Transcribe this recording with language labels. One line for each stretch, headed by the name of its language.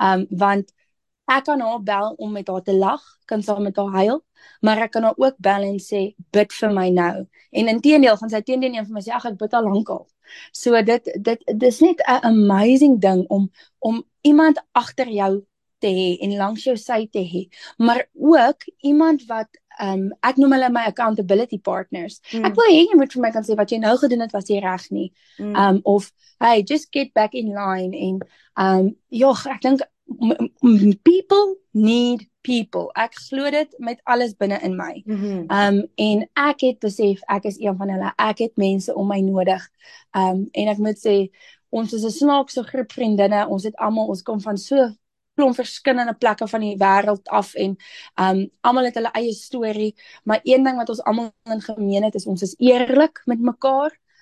Afrikaans: want ek kan haar bel om met haar te lag, kan saam met haar huil, maar ek kan haar ook bel en sê, bid vir my nou, en inteendeel, gaan sy teendeel een van my sê, ach, ek bid al lank al, so dit is net 'n amazing ding, om iemand achter jou te hê en langs jou sy te hê, maar ook iemand wat ek noem hulle my accountability partners. Mm. Ek wil hê jy moet vir my kan sê wat jy nou gedoen het was jy reg nie. Mm.
English: Of hey, just get back in line
Afrikaans: en ek dink
English: people need people.
Afrikaans: Ek glo dit met alles binne in my. Mm-hmm. En ek het besef ek is een van hulle. Ek het mense om my nodig. En ek moet sê ons is 'n snaakse groep vriendinne. Ons het almal ons kom van so klomp verskillende plekke van die wêreld af en almal het hulle eie storie, maar een ding wat ons almal in gemeen het is ons is eerlik met mekaar.